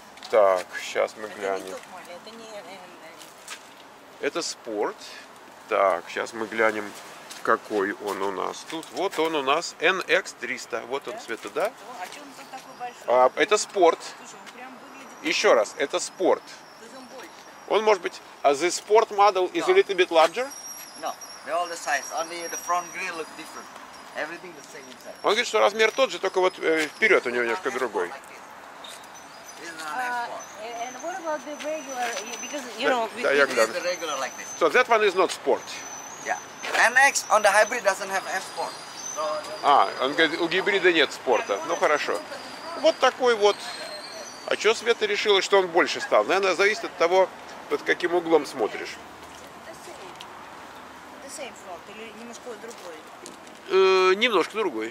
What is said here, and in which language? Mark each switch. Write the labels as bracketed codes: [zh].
[ru] Так, сейчас мы глянем. Это не тот маленький, это не... Это спорт. Так, сейчас мы глянем, какой он у нас тут. Вот он у нас, NX 300. Вот он, Света, да? А что он тут такой большой? Это спорт. Слушай, он прям выглядит... Еще раз, это спорт. То есть он больше. Он, может быть, [en] the sport model is a little bit larger? No, they're all the size. Only the front grille look different. Everything the same inside. [ru] Он говорит, что размер тот же, только вот вперед у него немножко другой. [en] And what about the regular? Because you know, the regular like this. So that one is not sport. Yeah. NX on the hybrid doesn't have F sport. [ru] А, он говорит, у гибрида нет спорта. Ну хорошо. Вот такой вот. А что Света решила, что он больше стал? Наверное, зависит от того, под каким углом смотришь. [en] The same front [ru] или немножко другой? Немножко другой.